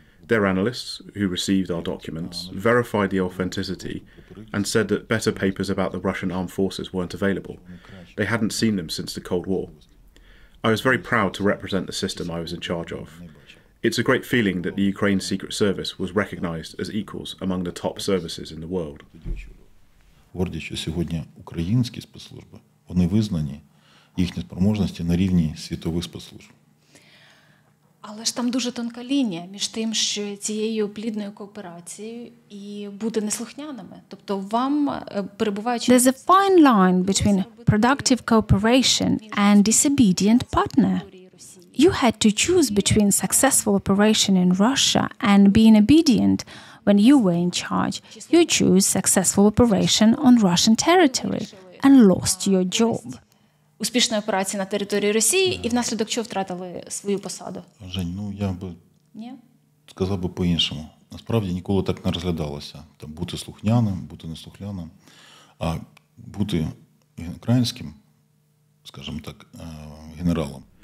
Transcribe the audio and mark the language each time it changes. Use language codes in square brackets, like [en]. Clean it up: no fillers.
[en] Their analysts, who received our documents, verified the authenticity and said that better papers about the Russian armed forces weren't available. They hadn't seen them since the Cold War. I was very proud to represent the system I was in charge of. It's a great feeling that the Ukraine Secret Service was recognized as equals among the top services in the world. [uk] Горді, що сьогодні українські спецслужби, вони визнані, їхні спроможності на рівні світових спецслужб. Але ж там дуже тонка лінія між тим, що цією плідною кооперацією і бути неслухняними. Тобто вам, перебуваючи... [en] There's a fine line between productive cooperation and disobedient partner. You had to choose between successful operation in Russia and being obedient when you were in charge. You choose successful operation on Russian territory and lost your job. [uk] Успішної операції на території Росії і внаслідок чого втратили свою посаду? Жень, ну я би сказав би по-іншому. Насправді ніколи так не розглядалося. Там бути слухняним, бути неслухняним, а бути українським, скажімо так, генералом.